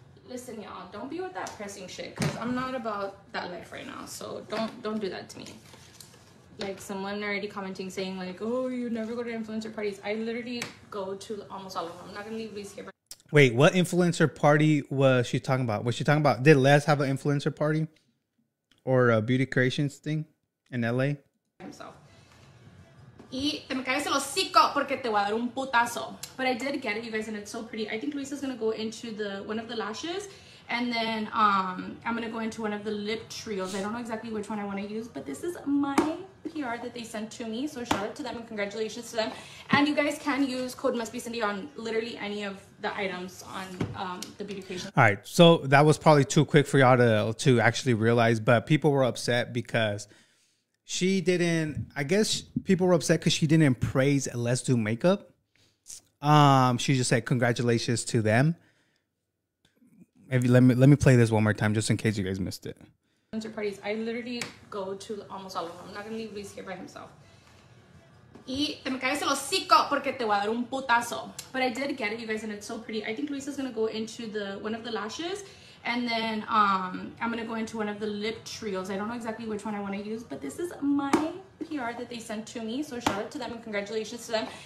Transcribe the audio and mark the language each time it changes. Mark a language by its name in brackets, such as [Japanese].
[English] Listen, y'all, don't be with that pressing shit, because I'm not about that life right now, so don't do that to me. Like, someone already commenting saying, like, oh, you never go to influencer parties. I literally go to almost all of them. I'm not going to leave Luis here. Wait, what influencer party was she talking about? Was she talking about, did Les have an influencer party? Or a beauty creations thing in L.A.? Himself. [Spanish] Y te me caes el hocico porque te voy a dar un putazo. [English] But I did get it, you guys, and it's so pretty. I think Luisa's going to go into the one of the lashes. And then I'm going to go into one of the lip trios. I don't know exactly which one I want to use, but this is my PR that they sent to me. So shout out to them and congratulations to them. And you guys can use code Mustbecindy on literally any of the items on the beauty creation. All right. So that was probably too quick for y'all to actually realize. But people were upset because she didn't, I guess people were upset because she didn't praise Les do makeup. She just said congratulations to them. Let me play this one more time just in case you guys missed it. Influencer parties. I literally go to almost all of them. I'm not going to leave Luis here by himself. [Spanish] Y te me caes el hocico porque te voy a dar un putazo. [English] But I did get it, you guys, and it's so pretty. I think Luis is going to go into the one of the lashes. And then I'm going to go into one of the lip trios. I don't know exactly which one I want to use, but this is my PR that they sent to me. So shout out to them and congratulations to them.